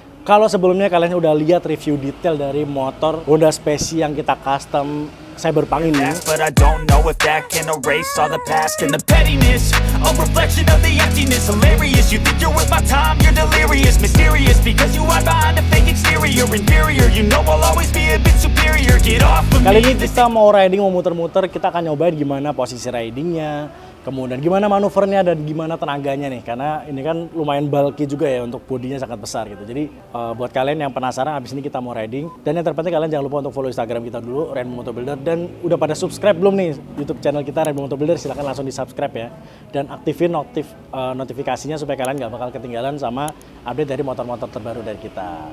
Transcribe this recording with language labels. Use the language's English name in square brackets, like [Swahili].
[Indonesian] Kalau sebelumnya kalian udah lihat review detail dari motor Honda Spacey yang kita custom Cyberpunk ini. [English] But I don't know if that can erase all the past and the pettiness. A reflection of the emptiness, hilarious. You think you're worth my time, you're delirious. Mysterious, because you hide behind a fake exterior. Inferior, you know I'll always be a bit superior. Get off of me. [Indonesian] Kali ini kita mau riding, mau muter-muter. Kita akan nyobain gimana posisi ridingnya, kemudian gimana manuvernya dan gimana tenaganya nih, karena ini kan lumayan bulky juga ya, untuk bodinya sangat besar gitu. Jadi buat kalian yang penasaran, abis ini kita mau riding. Dan yang terpenting, kalian jangan lupa untuk follow Instagram kita dulu, Rainbow Motor Builder. Dan udah pada subscribe belum nih YouTube channel kita Rainbow Motor Builder? Silahkan langsung di subscribe ya, dan aktifin notifikasinya supaya kalian gak bakal ketinggalan sama update dari motor-motor terbaru dari kita.